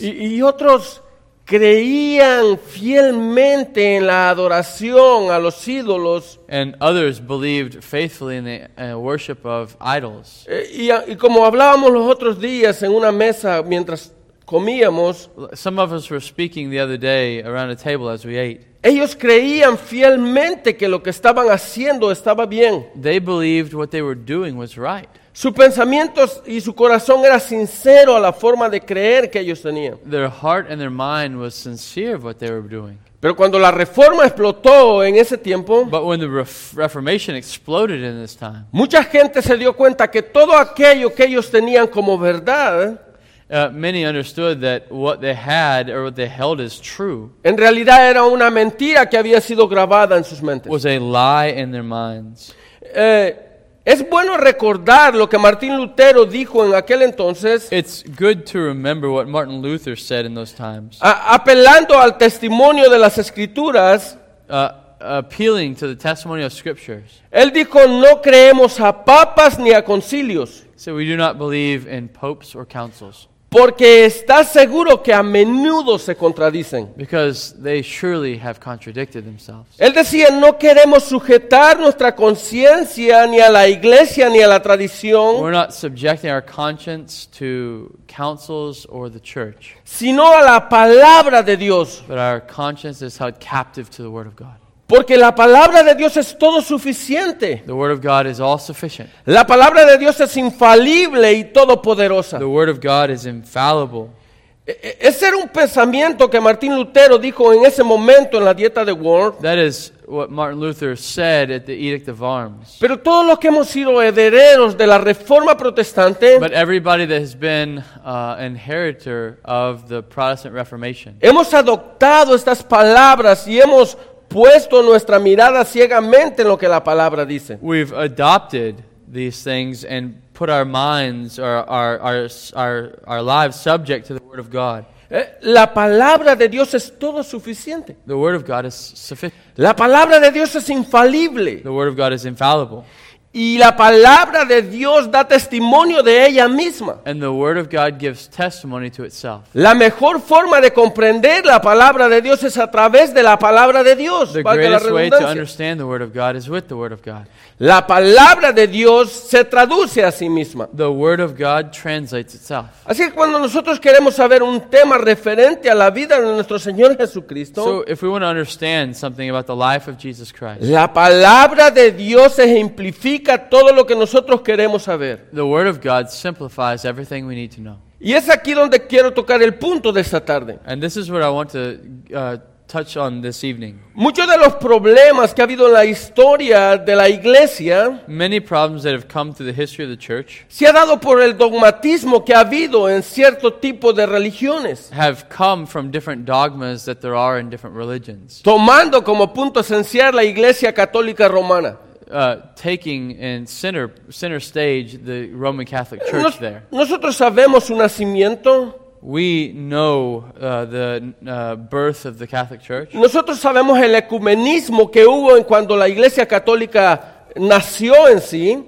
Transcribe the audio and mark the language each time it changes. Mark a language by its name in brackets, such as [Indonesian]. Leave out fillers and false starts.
[Spanish] Y otros creían fielmente en la adoración a los ídolos. [English] And others believed faithfully in the worship of idols. [Spanish] Y como hablábamos los otros días en una mesa mientras comíamos, [English] some of us were speaking the other day around a table as we ate. [Spanish] Ellos creían fielmente que lo que estaban haciendo estaba bien. [English] They believed what they were doing was right. [Spanish] Sus pensamientos y su corazón era sincero a la forma de creer que ellos tenían. [English] Their heart and their mind was sincere of what they were doing. [Spanish] Pero cuando la Reforma explotó en ese tiempo, [English] but when the Reformation exploded in this time, [Spanish] mucha gente se dio cuenta que todo aquello que ellos tenían como verdad, [English] many understood that what they had or what they held as true, [Spanish] en realidad era una mentira que había sido grabada en sus mentes. [English] Was a lie in their minds. [Spanish] Es bueno recordar lo que Martín Lutero dijo en aquel entonces. [English] It's good to remember what Martin Luther said in those times. [Spanish] Apelando al testimonio de las Escrituras, [English] appealing to the testimony of Scriptures. [Spanish] Él dijo, no creemos a papas ni a concilios. [English] So we do not believe in popes or councils. [Spanish] Porque está seguro que a menudo se contradicen. [English] Because they surely have contradicted themselves. [Spanish] Él decía, no queremos sujetar nuestra conciencia ni a la iglesia ni a la tradición. [English] We're not subjecting our conscience to councils or the church. [Spanish] Sino a la palabra de Dios. [English] But our conscience is held captive to the word of God. [Spanish] Porque la palabra de Dios es todo suficiente. [English] The word of God is all sufficient. [Spanish] La palabra de Dios es infalible y todopoderosa. [English] The word of God is infallible. [Spanish] Ese era un pensamiento que Martín Lutero dijo en ese momento en la dieta de Worms. [English] That is what Martin Luther said at the Edict of Worms. [Spanish] Pero todos los que hemos sido herederos de la Reforma Protestante, [English] but everybody that has been inheritor of the Protestant Reformation, [Spanish] hemos adoptado estas palabras y hemos puesto nuestra mirada ciegamente en lo que la palabra dice. [English] We've adopted these things and put our minds or our lives subject to the word of God. [Spanish] La palabra de Dios es todo suficiente. [English] The word of God is sufficient. [Spanish] La palabra de Dios es infalible. [English] The word of God is infallible. [Spanish] Y la palabra de Dios da testimonio de ella misma. [English] And the word of God gives testimony to itself. [Spanish] La mejor forma de comprender la palabra de Dios es a través de la palabra de Dios. [English] The greatest way to understand the word of God is with the word of God. [Spanish] La palabra de Dios se traduce a sí misma. [English] The word of God translates itself. [Spanish] Así que cuando nosotros queremos saber un tema referente a la vida de nuestro Señor Jesucristo, [English] so if we want to understand something about the life of Jesus Christ, [Spanish] la palabra de Dios ejemplifica todo lo que nosotros queremos saber. [English] The word of God simplifies everything we need to know. [Spanish] Y es aquí donde quiero tocar el punto de esta tarde. [English] And this is where I want to touch on this evening. [Spanish] Muchos de los problemas que ha habido en la historia de la iglesia, [English] many problems that have come through the history of the church, [Spanish] se ha dado por el dogmatismo que ha habido en cierto tipo de religiones, [English] have come from different dogmas that there are in different religions. [Spanish] Tomando como punto esencial la Iglesia Católica Romana, [English] taking in center stage the Roman Catholic Church. There [Spanish] nosotros sabemos un nacimiento. [English] We know the birth of the Catholic Church. [Spanish] Nosotros sabemos el ecumenismo que hubo en cuando la Iglesia Católica nació en sí.